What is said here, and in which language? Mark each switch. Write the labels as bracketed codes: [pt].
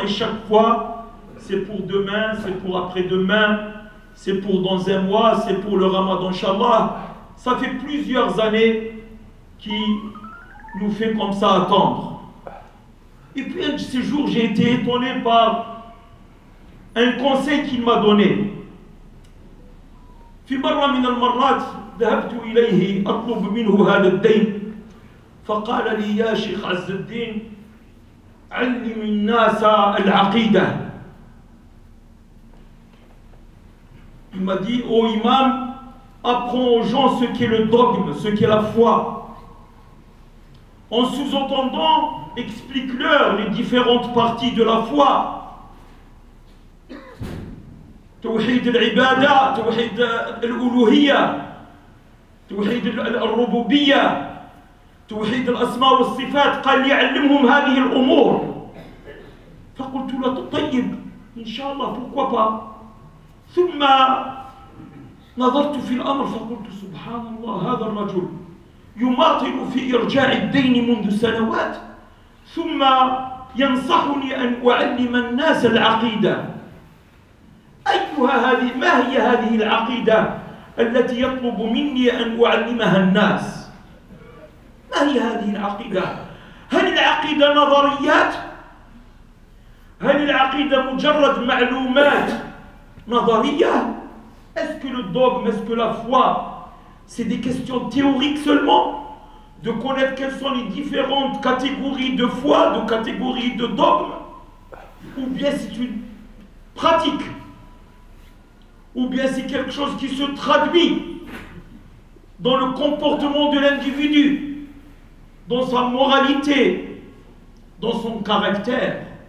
[fr] Et chaque fois, c'est pour demain, c'est pour après-demain, c'est pour dans un mois, c'est pour le Ramadan, Inch'Allah. Ça fait plusieurs années qu'il nous fait comme ça attendre. Et puis, ce jour, j'ai été étonné par un conseil qu'il m'a donné. [ar] في مرة من المرات ذهبت إليه أطلب منه هذا الدين، فقال لي: يا شيخ عز الدين، علم الناس العقيدة. [fr] Il m'a dit: ô imam, apprends aux gens ce qu'est le dogme, ce qu'est la foi. En sous-entendant, explique-leur les différentes parties de la foi. [ar] توحيد العبادة، توحيد الألوهية، توحيد الربوبية، توحيد الأسماء والصفات. قال يعلمهم هذه الأمور. فقلت له: طيب إن شاء الله، [fr] pourquoi pas. [ar] ثم نظرت في الأمر فقلت سبحان الله، هذا الرجل يماطل في إرجاع الدين منذ سنوات ثم ينصحني أن أعلم الناس العقيدة. أيها هذه، ما هي هذه العقيدة التي يطلب مني أن أعلمها الناس؟ ما هي هذه العقيدة؟ هل العقيدة نظريات؟ هل العقيدة مجرد معلومات نظرية؟ [fr] Est-ce que le dogme, est-ce que la foi, c'est des questions théoriques seulement? De connaître quelles sont les différentes catégories de foi, de catégories de dogmes? Ou bien c'est une pratique? Ou bien c'est quelque chose qui se traduit dans le comportement de l'individu, dans sa moralité, dans son caractère?